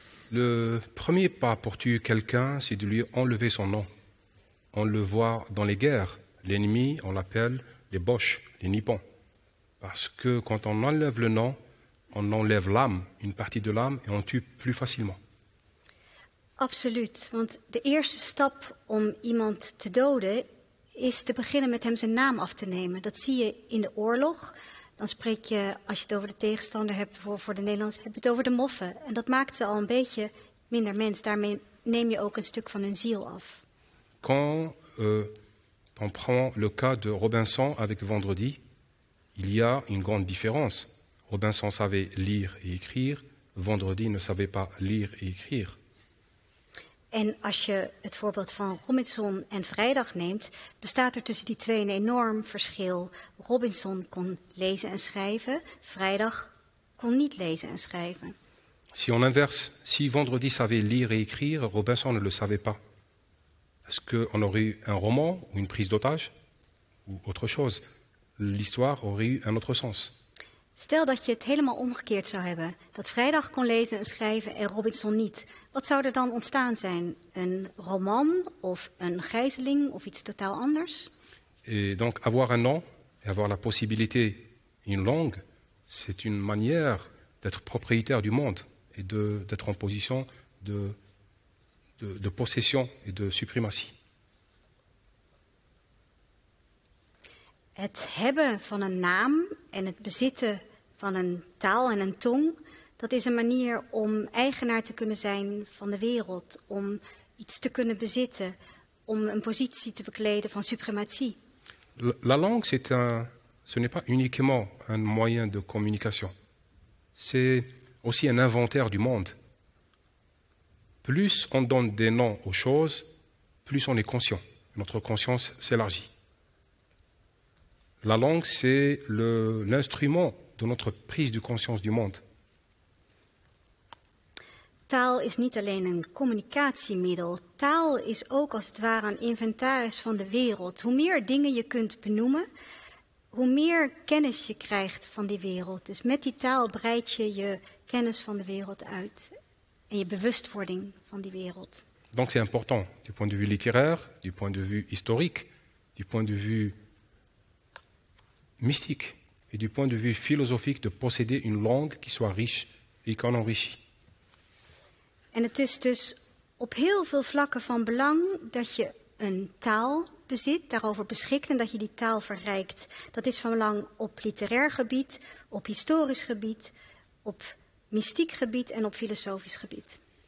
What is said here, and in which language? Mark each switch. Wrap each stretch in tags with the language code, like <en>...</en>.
<fr>Le premier pas pour tuer quelqu'un, c'est de lui enlever son nom. On le voit dans les guerres. L'ennemi, on l'appelle les Boches, les Nippons. Parce que quand on enlève le nom, on enlève l'âme, une partie de l'âme, et on tue plus facilement.</fr> <nl>Absoluut, want de eerste stap om iemand te doden is te beginnen met hem zijn naam af te nemen. Dat zie je in de oorlog. Dan spreek je, als je het over de tegenstander hebt voor de Nederlanders, heb je het over de moffen. En dat maakt ze al een beetje minder mens. Daarmee neem je ook een stuk van hun ziel af.</nl> <fr>Quand on prend le cas de Robinson avec Vendredi, il y a une grande différence. Robinson savait lire et écrire, Vendredi ne savait pas lire et écrire.</fr> <nl>En als je het voorbeeld van Robinson en Vrijdag neemt, bestaat er tussen die twee een enorm verschil. Robinson kon lezen en schrijven, Vrijdag kon niet lezen en schrijven.</nl> <fr>Si on inverse, si Vendredi savait lire et écrire, Robinson ne le savait pas. Est-ce qu'on aurait eu un roman ou une prise d'otage ou autre chose? L'histoire aurait eu un autre sens.</fr> <nl>Stel dat je het helemaal omgekeerd zou hebben. Dat Vrijdag kon lezen en schrijven en Robinson niet. Wat zou er dan ontstaan zijn? Een roman of een gijzeling of iets totaal anders?</nl> <fr>Et donc avoir un nom et avoir la possibilité une langue, c'est une manière d'être propriétaire du monde et d'être en position de possession et de suprématie.</fr> <nl>Het hebben van een naam en het bezitten van een taal en een tong, dat is een manier om eigenaar te kunnen zijn van de wereld, om iets te kunnen bezitten, om een positie te bekleden van suprematie.</nl> <fr>La langue, ce n'est pas uniquement un moyen de communication. C'est aussi un inventaire du monde. Plus on donne des noms aux choses, plus on est conscient. Notre conscience s'élargit. La langue, c'est l'instrument de notre prise de conscience du monde.</fr> <nl>Taal is niet alleen een communicatiemiddel. Taal is ook als het ware een inventaris van de wereld. Hoe meer dingen je kunt benoemen, hoe meer kennis je krijgt van die wereld. Dus met die taal breid je je kennis van de wereld uit en je bewustwording van die wereld.</nl> <fr>Donc c'est important du point de vue littéraire, du point de vue historique, du point de vue mystique et du point de vue philosophique de posséder une langue qui soit riche et qu'on enrichit.</fr> <nl>En het is dus op heel veel vlakken van belang dat je een taal bezit, daarover beschikt en dat je die taal verrijkt. Dat is van belang op literair gebied, op historisch gebied, op mystiek gebied en op filosofisch gebied.</nl>